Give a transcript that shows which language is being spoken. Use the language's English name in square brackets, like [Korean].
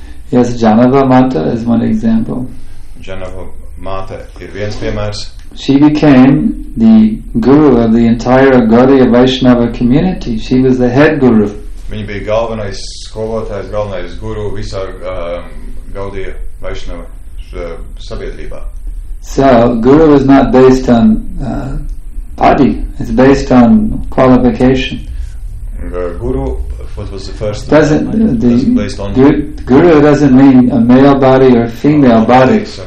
[English] Yes, Janava Mata is one example. [Latvian] Janava Mata ir viens piemērs. [English] She became the guru of the entire Gaudiya Vaishnava community. She was the head guru. [Latvian] Viņa bija galvenais skolotājs, galvenais guru visā Gaudiya Vaishnava sabiedrībā. [English] So, guru is not based on body, it's based on qualification. Guru, what was the first name? Guru doesn't mean a male body or a female body.